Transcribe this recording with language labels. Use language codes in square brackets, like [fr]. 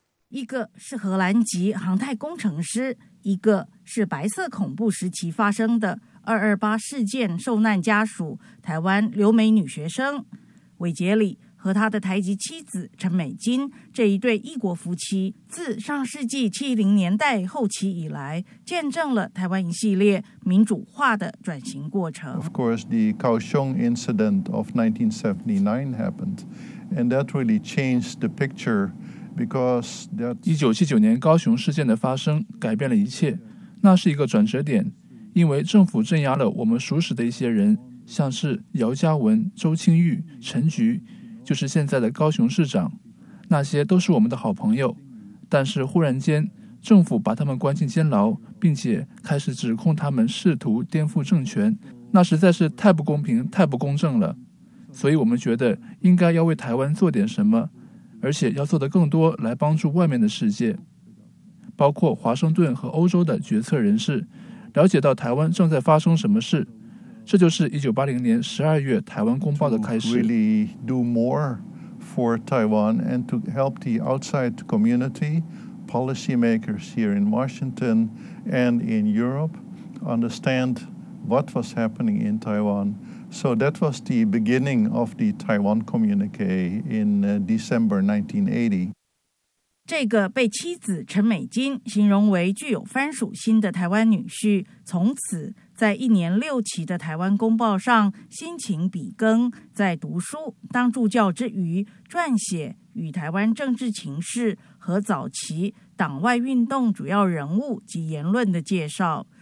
[zh] 一个是荷兰籍航太工程师，一个是白色恐怖时期发生的228事件受难家属台湾留美女学生韦杰里和他的台籍妻子陈美金，这一对异国夫妻自上世纪70年代后期以来，见证了台湾一系列民主化的转型过程。 [en] Of course, the Kaohsiung incident of 1979 happened, and that really changed the picture because that [zh] 1979年高雄事件的发生改变了一切，那是一个转折点，因为政府镇压了我们熟识的一些人，像是姚嘉文、周清玉、陈菊。就是现在的高雄市长，那些都是我们的好朋友，但是忽然间政府把他们关进监牢，并且开始指控他们试图颠覆政权，那实在是太不公平，太不公正了。所以我们觉得应该要为台湾做点什么，而且要做得更多来帮助外面的世界，包括华盛顿和欧洲的决策人士了解到台湾正在发生什么事。这就是1980年12月台湾公报的开始。 [en] To really do more for Taiwan and to help the outside community policymakers here in Washington and in Europe understand what was happening in Taiwan. So that was the beginning of the Taiwan communique in December 1980. [zh] 这个被妻子陈美金形容为具有番薯心的台湾女婿，从此在一年六期的台湾公报上辛勤笔耕，在读书当助教之余，撰写与台湾政治情势和早期党外运动主要人物及言论的介绍，